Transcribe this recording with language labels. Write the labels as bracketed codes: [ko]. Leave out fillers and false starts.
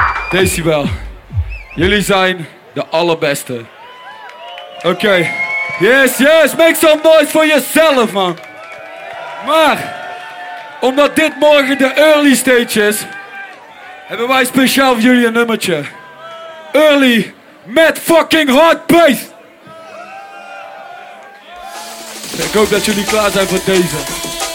[nl] Decibel, jullie zijn de allerbeste. [en] Oké, yes, yes, make some noise for yourself, man. [nl] Maar, omdat dit morgen de early stage is, hebben wij speciaal voor jullie een nummertje. Early, met fucking heartbeat. Ik hoop dat jullie klaar zijn voor deze.